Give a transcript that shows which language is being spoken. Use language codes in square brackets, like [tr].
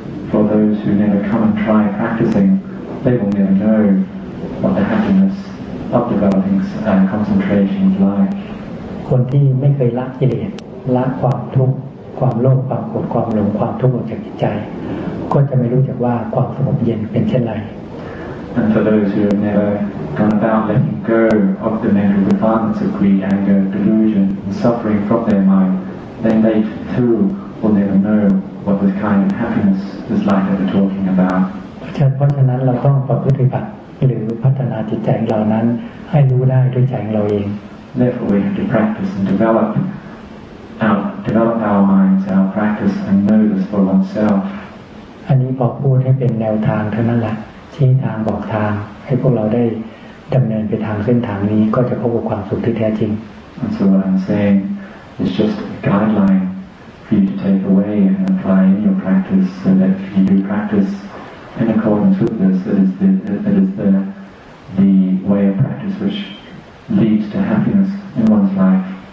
[en] For those who never come and try practicing they will never know what the happiness of developing concentration is like [th] คนที่ไม่เคยละกิเลสละความทุกข์ความโลภความโกรธความหลงความทุกข์ออกจากจิตใจก็จะไม่รู้จักว่าความสงบเย็นเป็นเช่นไร [en] And for those who have never gone about letting go of the mental defilements of greed, anger, delusion, and suffering from their mind, then they too will never know what this kind of happiness is like that we're talking about. [th] เพราะฉะนั้นเราต้องปฏิบัติหรือพัฒนาจิตใจเรานั้นให้รู้ได้ด้วยใจของเราเอง [en] Therefore, we have to practice and develop our minds, our practice, and know this for oneself. [th] อันนี้พอพูดให้เป็นแนวทางเท่านั้นแหละชี้ทางบอกทางให้พวกเราได้ดำเนินไปทางเส้นทางนี้ก็จะพบกับความสุขที่แท้จริง [en] And so what I'm saying is just a guideline for you to take away and apply in your practice so that if you do practice in accordance with this it is the way of practice which leads to happiness in one's life